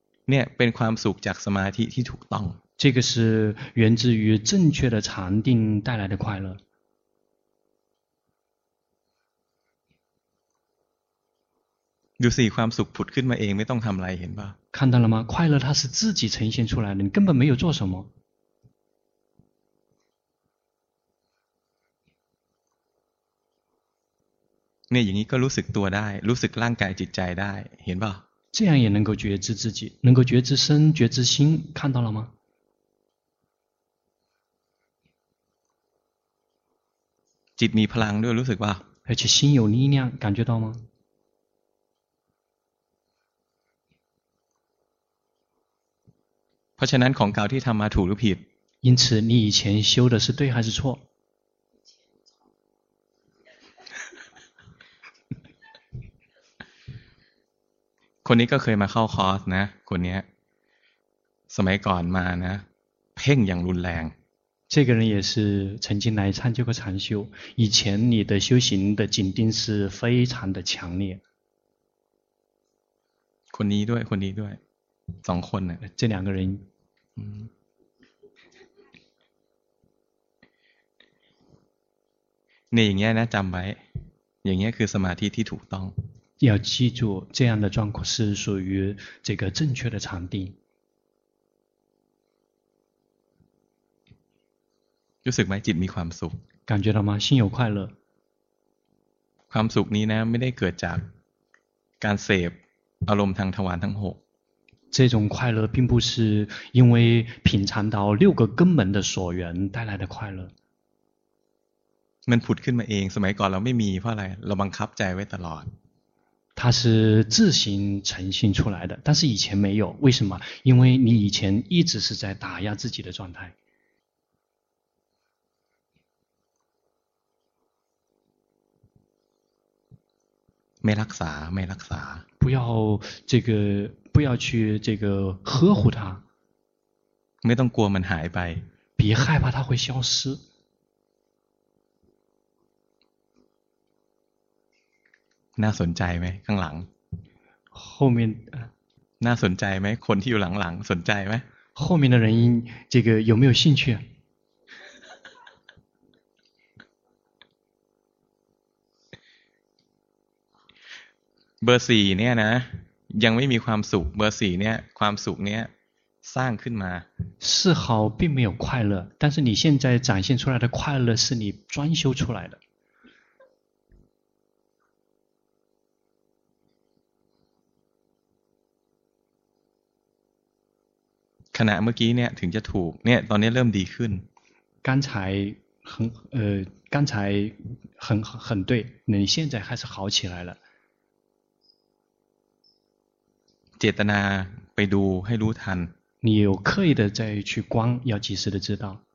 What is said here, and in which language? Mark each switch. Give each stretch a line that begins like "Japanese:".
Thai: เนี่ยเป็นความสุขจากสมาธิที่ถูกต้อง
Chinese: 这个是源自于正确的禅定带来的快乐
Thai: ดูสิความสุขผุดขึ้นมาเองไม่ต้องทำอะไรเห็นป่ะ
Chinese: 看到了吗快乐它是自己呈现出来的你根本没有做什么
Thai: เนี่ยอย่างนี้ก็รู้สึกตัวได้รู้สึกร่างกายจิตใจได้เห็นป่ะ
Chinese: 这样也能够觉知自己能够觉知身觉知心看到了吗
Thai: จิตมีพลังด้วยรู้สึกป่ะ
Chinese: 而且心有力量感觉到吗
Thai: เพราะฉะนั้นของเก่าที่ทำมาถูกหรือผิด
Chinese: 因此你以前修的是对还是错
Thai: คนนี้ก็เคยมาเข้าคอร์สนะคนนี้สมัยก่อนมานะเพ่งอย่างรุนแรง
Chinese: 这个人也是曾经来参加过禅修以前你的修行的紧盯是非常的强烈
Thai: คนนี้ด้วยคนนี้ด้วยสองคนนะ
Chinese: 这两个人
Thai: นี่อย่างเงี้ยนะจำไว้อย่างเงี้ยคือสมาธิที่ถูกต้อง
Chinese: 要记住这样的状况是属于这个正确的禅定
Thai: รู้สึกไหมจิตมีความสุข
Chinese: 感觉到吗心有快乐
Thai: ความสุขนี้นะไม่ได้เกิดจากการเสพอารมณ์ทางทวารทั้ง6
Chinese: 这种快乐并不是因为品尝到六个根本的所缘带来的快乐
Thai: มันผุดขึ้นมาเองสมัยก่อนเราไม่มีเพราะอะไรเราบังคับใจไว้ตลอด
Chinese: 它是自行呈现出来的但是以前没有为什么因为你以前一直是在打压自己的状态没
Thai: รักษา没รักษา
Chinese: 不要这个不要去这个呵护它
Thai: ไม่ต้องกลัวมันหายไป
Chinese: 别害怕它会消失
Thai: น่าสนใจไหมข้างหลัง
Chinese: 后面
Thai: น่าสนใจไหมคนที่อยู่หลังๆสนใจไหม
Chinese: 后面的人这个有没有兴趣
Thai: เบอร์4เนี่ยนะยังไม่มีความสุขเบอร์4เนี่ยความสุขเนี่ยสร้างขึ้นมา
Chinese: 4号并没有快乐但是你现在展现出来的快乐是你专修出来的
Thai: ขณะเมื่อกี้เนี่ยถึงจะถูกเนี่ยตอนนี้เริ่มดีขึ้น
Chinese: 刚才很刚才很对你现在开始好起来了
Thai: เจตนาไปดูให้รู้ทัน
Chinese: 你有刻意的在去观要及时的知道